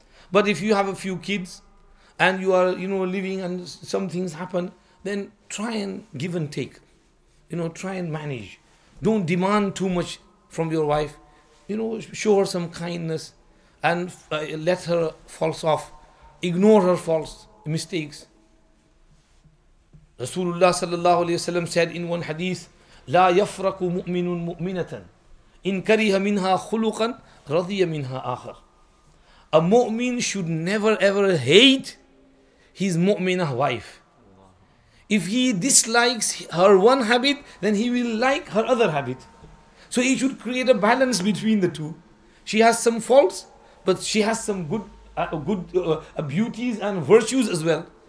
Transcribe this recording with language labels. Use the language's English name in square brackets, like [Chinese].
[English] But if you have a few kids, and you are, you know, living and some things happen, then try and give and take. You know, try and manage. Don't demand too much from your wife. You know, show her some kindness and let her falls off. Ignore her faults, mistakes. [Arabic] Rasulullah sallallahu alayhi wa sallam [English] said in one hadith, [Arabic] لا يفرق مؤمن مؤمنة إن كره منها خلقا رضي منها آخر. [English] A mu'min should never ever hate his mu'minah wife. If he dislikes her one habit, then he will like her other habit. So he should create a balance between the two. She has some faults, but she has some good beauties and virtues as well.